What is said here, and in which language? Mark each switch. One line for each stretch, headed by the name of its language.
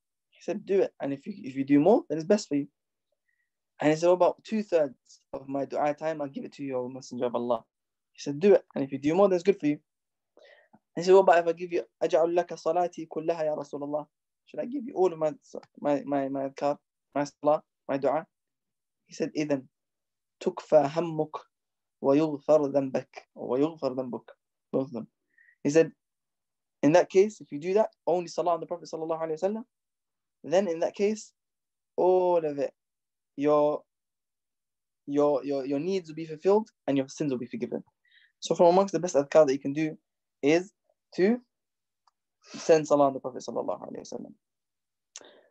English: He said, do it, and if you do more, then it's best for you. And he said, what about two thirds of my dua time? I'll give it to you, O Messenger of Allah. He said, do it, and if you do more, then it's good for you. And he said, what about if I give you
Arabic: أجعل لك صلاتي كلها يا رسول الله?
English: Should I give you all of my adhkar, my salah, my dua? He said,
Arabic: إذن تكفى همك ويغفر ذنبك.
English: Both of them. He said, in that case, if you do that, only salah on the Prophet sallallahu alayhi wa sallam, then in that case, all of it, your needs will be fulfilled and your sins will be forgiven. So from amongst the best adhkar that you can do is to send salah on the Prophet sallallahu alayhi wa sallam.